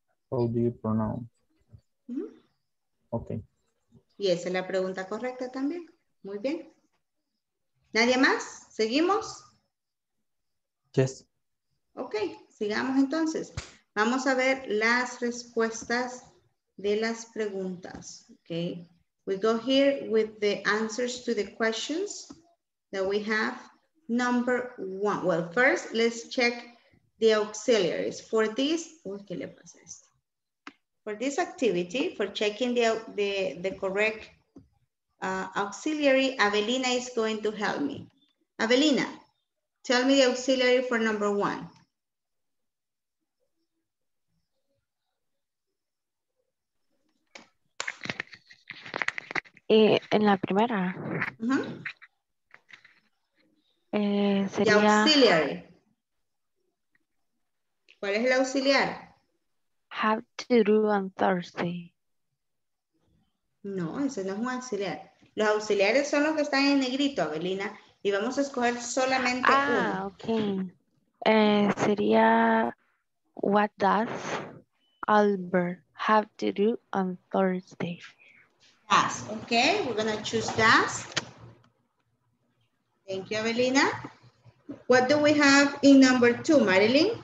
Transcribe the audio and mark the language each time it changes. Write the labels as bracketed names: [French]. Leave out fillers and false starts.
[English] How do you pronounce? Okay. [Spanish] Y esa es la pregunta correcta también. Muy bien. ¿Nadie más? ¿Seguimos? [English] Yes. [Spanish] Ok, sigamos entonces. Vamos a ver las respuestas de las preguntas. [English] Ok. We go here with the answers to the questions that we have. Number one. Well, first, let's check the auxiliaries. For this, [Spanish] ¿qué le pasa a esto? [English] For this activity, for checking the correct auxiliary, Avelina is going to help me. Avelina, tell me the auxiliary for number one. [Spanish] En la primera. Sería... [English] The auxiliary. [Spanish] ¿Cuál es el auxiliar? [English] Have to do on Thursday. [Spanish] No, ese no es un auxiliar. Los auxiliares son los que están en negrito, Abelina. Y vamos a escoger solamente uno. Ah, ok. [English] Sería, what does Albert have to do on Thursday? Does, ok. We're going to choose does. Thank you, Abelina. What do we have in number two, Marilyn?